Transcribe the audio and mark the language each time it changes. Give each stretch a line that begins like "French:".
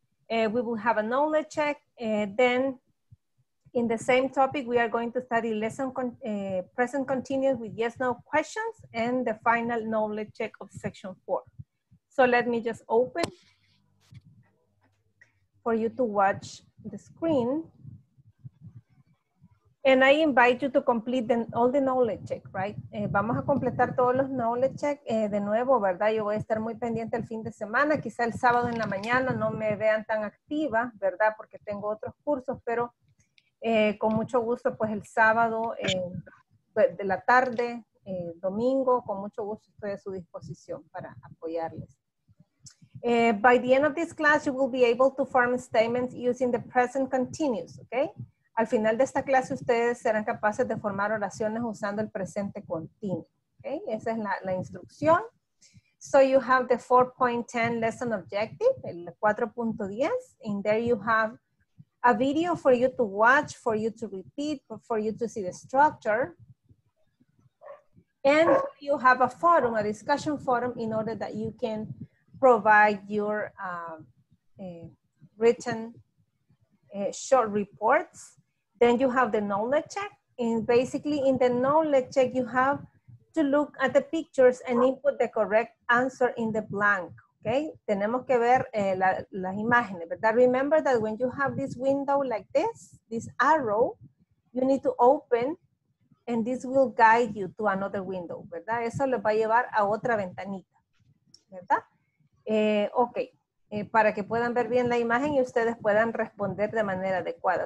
English: We will have a knowledge check. Then, in the same topic, we are going to study lesson present continuous with yes-no questions and the final knowledge check of section 4. So let me just open for you to watch the screen. And I invite you to complete all the knowledge check, right?
Spanish: Vamos a completar todos los knowledge check de nuevo, ¿verdad? Yo voy a estar muy pendiente el fin de semana. Quizá el sábado en la mañana no me vean tan activa, ¿verdad? Porque tengo otros cursos, pero... con mucho gusto, pues el sábado de la tarde, domingo, con mucho gusto estoy a su disposición para apoyarles.
English: By the end of this class, you will be able to form statements using the present continuous, okay?
Spanish: Al final de esta clase, ustedes serán capaces de formar oraciones usando el presente continuo, okay? Esa es la instrucción.
English: So you have the 4.10 lesson objective,
Spanish: el 4.10,
English: and there you have a video for you to watch, for you to repeat, for you to see the structure. And you have a forum, a discussion forum, in order that you can provide your written short reports. Then you have the knowledge check. And basically, in the knowledge check, you have to look at the pictures and input the correct answer in the blank.
Spanish: Okay, tenemos que ver las imágenes, ¿verdad?
English: Remember that when you have this window like this, this arrow, you need to open and this will guide you to another window,
Spanish: ¿verdad? Eso les va a llevar a otra ventanita, ¿verdad? Para que puedan ver bien la imagen y ustedes puedan responder de manera adecuada.